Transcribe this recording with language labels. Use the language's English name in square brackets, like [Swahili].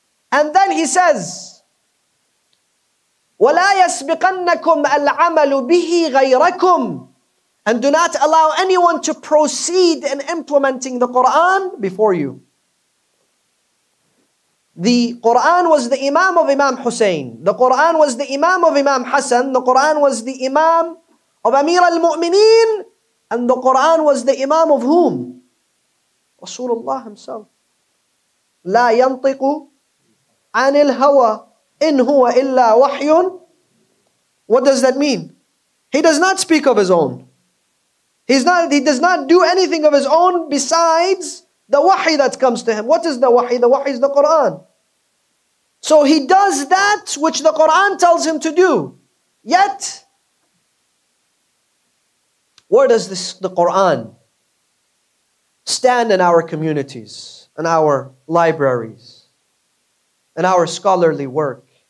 [English] And then he says, [Arabic] وَلَا يَسْبِقَنَّكُمْ الْعَمَلُ بِهِ غَيْرَكُمْ. [English] And do not allow anyone to proceed in implementing the Quran before you. The Quran was the imam of Imam Hussein. The Quran was the imam of Imam Hassan. The Quran was the imam of Amir al-Mu'mineen. And the Quran was the imam of whom? Rasulullah himself. [Arabic] لا ينطق عن الهوى إن هو إلا وحي. [English] What does that mean? He does not speak of his own. He does not do anything of his own besides the wahi that comes to him. What is the wahi? The wahi is the Quran. So he does that which the Quran tells him to do. Yet, where does this, the Quran, stand in our communities, in our libraries, in our scholarly work?